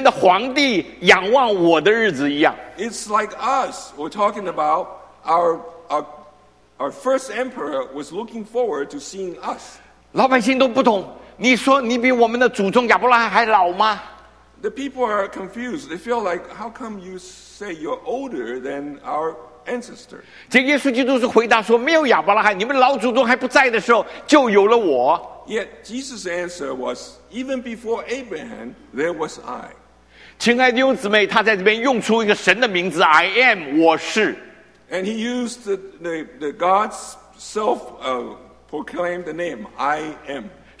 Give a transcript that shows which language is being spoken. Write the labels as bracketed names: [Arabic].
[Chinese] 好像炎黄的子孙说,你们的皇帝仰望我的日子一样。 [English] It's like us, we're talking about our first emperor was looking forward to seeing us. [Chinese] 老百姓都不懂,你说你比我们的祖宗亚伯拉罕还老吗? [English] The people are confused. They feel like, how come you say you're older than our ancestor? [Chinese] 这耶稣基督是回答说,没有亚伯拉罕,你们老祖宗还不在的时候,就有了我。 [English] Yet Jesus' answer was, even before Abraham, there was I. [Chinese] 亲爱的弟兄姊妹,他在这边用出一个神的名字, [English] I am, [Chinese] 我是。 [English] And he used the God's self-proclaimed name, I am.